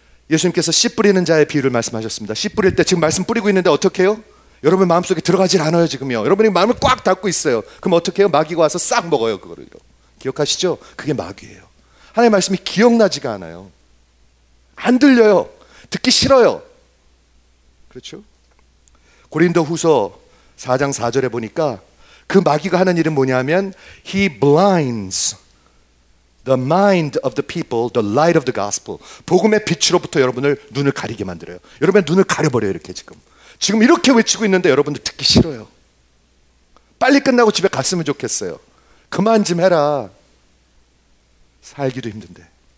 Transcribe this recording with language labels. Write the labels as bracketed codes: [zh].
[ko] 예수님께서 씨 뿌리는 자의 비유를 말씀하셨습니다. 씨 뿌릴 때 지금 말씀 뿌리고 있는데 어떻게 해요? 여러분 마음속에 들어가질 않아요 지금요. 여러분이 마음을 꽉 닫고 있어요. 그럼 어떻게 해요? 마귀가 와서 싹 먹어요 그거를요. 기억하시죠? 그게 마귀예요. 하나님의 말씀이 기억나지가 않아요. 안 들려요. 듣기 싫어요. 그렇죠? 고린도 후서 4장 4절에 보니까 그 마귀가 하는 일은 뭐냐면 [en] He blinds the mind of the people, the light of the gospel. [ko] 복음의 빛으로부터 여러분을 눈을 가리게 만들어요. 여러분의 눈을 가려버려요, 이렇게 지금. 지금 이렇게 외치고 있는데 여러분들 듣기 싫어요. 빨리 끝나고 집에 갔으면 좋겠어요. 그만 좀 해라. 살기도 힘든데.